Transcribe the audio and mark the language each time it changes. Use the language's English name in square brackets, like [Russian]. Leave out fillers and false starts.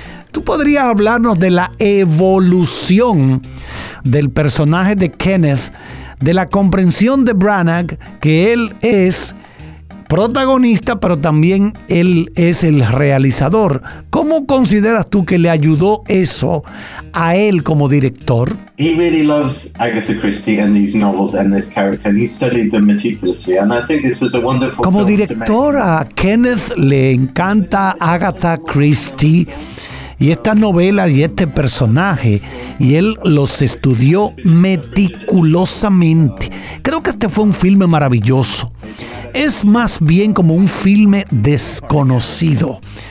[Spanish] ¿Tú podrías hablarnos de la evolución del personaje de Kenneth de la comprensión de Branagh, que él es protagonista, pero también él es el realizador. ¿Cómo consideras tú que le ayudó eso a él como director? [English] He really loves Agatha Christie and these novels and this character, and he studied them meticulously. And I think this was a wonderful. [Spanish] Como director, a Kenneth le encanta Agatha Christie y esta novela y este personaje, y él los estudió meticulosamente. Creo que este fue un filme maravilloso. Es más bien como un filme desconocido.